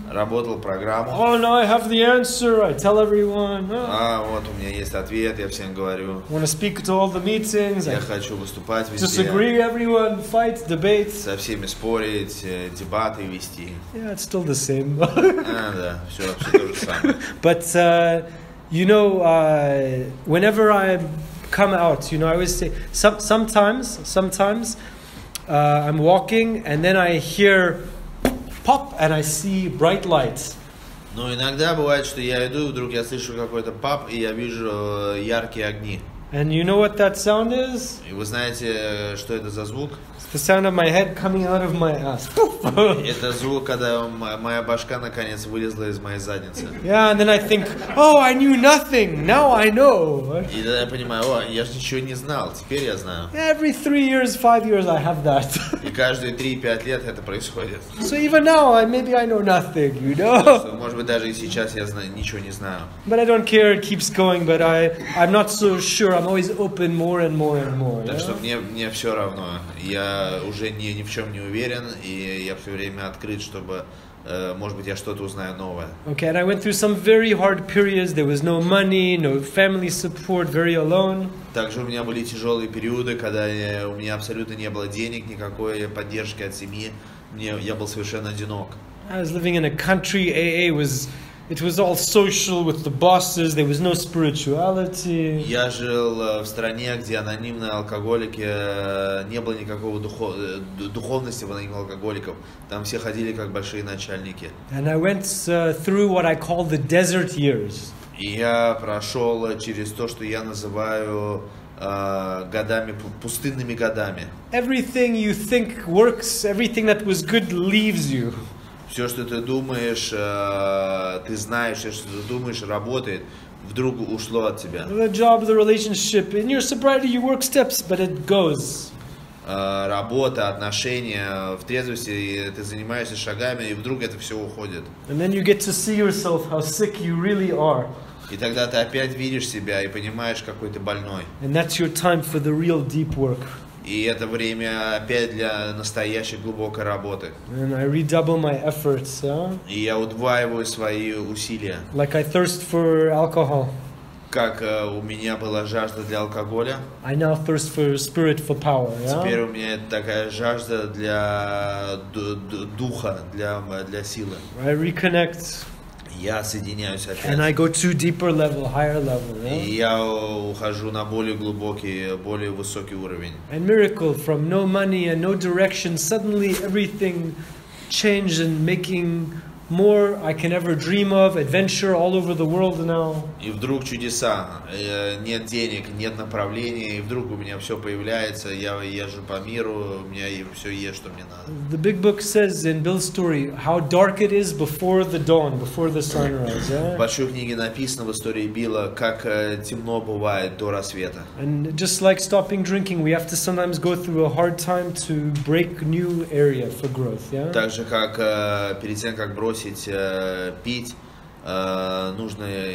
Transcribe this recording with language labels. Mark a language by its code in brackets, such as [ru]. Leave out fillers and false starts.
[ru] Работал программу. [en] Oh no, I have the answer. I tell everyone. [ru] Вот у меня есть ответ, я всем говорю. [en] Want to speak to all the meetings. [ru] Я хочу выступать везде. [en] Disagree everyone, fight, debate. [ru] Со всеми спорить, дебаты вести. [en] Yeah, it's still the same. [ru] Да, все то же самое. [en] But you know, whenever I come out, you know, I always say, sometimes, I'm walking and then I hear pop and I see bright lights. [ru] Ну, иногда бывает, что я иду, вдруг я слышу какой-то pop и я вижу яркие огни. [en] And you know what that sound is? [ru] И вы знаете, что это за звук? [en] It's the sound of my head coming out of my ass. [ru] Это звук, когда моя башка наконец вылезла из моей задницы. [en] Yeah, and then I think, oh, I knew nothing. Now I know. [ru] И тогда я понимаю, о, я же ничего не знал. Теперь я знаю. [en] Every 3 years, 5 years, I have that. [ru] И каждые 3-5 лет это происходит. [en] So even now, maybe I know nothing, you know? [ru] Может быть, даже и сейчас я ничего не знаю. [en] But I don't care. It keeps going. But I'm not so sure. I'm always open more and more and more. [ru] Так что мне все равно. Я уже ни в чем не уверен, и я все время открыт, чтобы, может быть, я что-то узнаю новое. [en] Okay, and I went through some very hard periods. There was no money, no family support, very alone. [ru] Также у меня были тяжелые периоды, когда у меня абсолютно не было денег, никакой поддержки от семьи. Я был совершенно одинок. [en] I was living in a country. AA was. It was all social with the bosses. There was no spirituality. [ru] Я жил в стране, где анонимные алкоголики не было никакого духовности в анонимных алкоголиков. Там все ходили как большие начальники. [en] And I went through what I call the desert years. [ru] И я прошел через то, что я называю годами, пустынными годами. [en] Everything you think works, everything that was good leaves you. [ru] Все, что ты думаешь, ты знаешь, все, что ты думаешь, работает, вдруг ушло от тебя. [en] The job, the relationship, in your sobriety you work steps, but it goes. [ru] Работа, отношения, в трезвости ты занимаешься шагами, и вдруг это все уходит. [en] And then you get to see yourself, how sick you really are. [ru] И тогда ты опять видишь себя и понимаешь, какой ты больной. [en] And that's your time for the real deep work. [ru] И это время опять для настоящей глубокой работы. [en] And I redouble my efforts, yeah? [ru] И я удваиваю свои усилия. [en] Like I thirst for alcohol. [ru] Как у меня была жажда для алкоголя. [en] I now thirst for spirit, for power, yeah? [ru] Теперь у меня такая жажда для духа, для силы. [en] I reconnect. [ru] Я соединяюсь опять. [en] And I go to deeper level, higher level, yeah? [ru] И я ухожу на более глубокий, более высокий уровень. [en] And miracle from no money and no direction, suddenly everything changed and making more I can ever dream of, adventure all over the world now. [ru] И вдруг чудеса, нет денег, нет направления, и вдруг у меня все появляется, я езжу по миру, у меня все есть, что мне надо. [en] The big book says in Bill's story how dark it is before the dawn, before the sunrise. Yeah? [ru] В большой книге написано в истории Билла, как темно бывает до рассвета. [en] And just like stopping drinking, we have to sometimes go through a hard time to break new area for growth. Yeah? [ru] Так же, как перед тем, как бросить пить, нужно